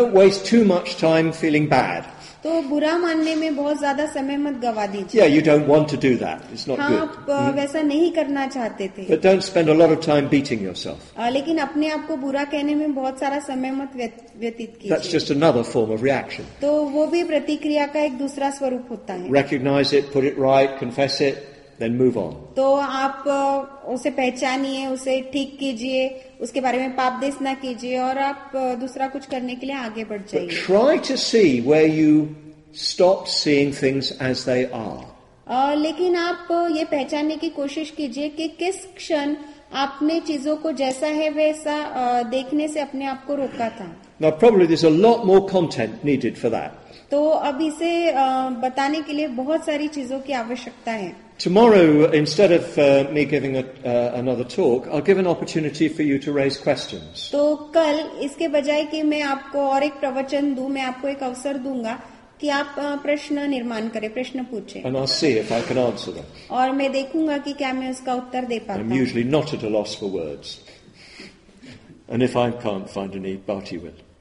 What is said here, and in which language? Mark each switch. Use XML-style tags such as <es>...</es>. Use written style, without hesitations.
<en>Don't waste too much time feeling bad.</en> <hi>तो बुरा मानने में बहुत ज्यादा समय मत गवा दीजिए.</hi> <en>Yeah, you don't want to do that. It's not good.</en> <hi>आप वैसा नहीं करना चाहते थे.</hi> <en>But don't spend a lot of time beating yourself.</en> <hi>लेकिन अपने आप को बुरा कहने में बहुत सारा समय मत व्यतीत कीजिए.</hi> <en>That's just another form of reaction.</en> <hi>तो वो भी प्रतिक्रिया का एक दूसरा स्वरूप होता है.</hi> <en>Recognize it, put it right, confess it, then move on.</en> <hi>तो आप उसे पहचानिए, उसे ठीक कीजिए, उसके बारे में पाप देश ना कीजिए और आप दूसरा कुछ करने के लिए आगे बढ़ जाइए.</hi> <en>But try to see where you stop seeing things as they are.</en> <hi>लेकिन आप ये पहचानने की कोशिश कीजिए कि किस क्षण आपने चीजों को जैसा है वैसा देखने से अपने आप को रोका था.</hi> <en>Now probably there's a lot more content needed for that.</en> <hi>तो अब इसे बताने के लिए बहुत सारी चीजों की आवश्यकता है.</hi> <en>Tomorrow, instead of me giving another talk, I'll give an opportunity for you to raise questions.</en> <hi>तो कल इसके बजाय कि मैं आपको और एक प्रवचन दूं, मैं आपको एक अवसर दूंगा कि आप प्रश्न निर्माण करें, प्रश्न पूछें.</hi> <en>And I'll see if I can answer them.</en> <hi>और मैं देखूंगा कि क्या मैं उसका उत्तर दे पाता हूं.</hi> <en>I'm usually not at a loss for words. And if I can't find any, Bharti will.</en>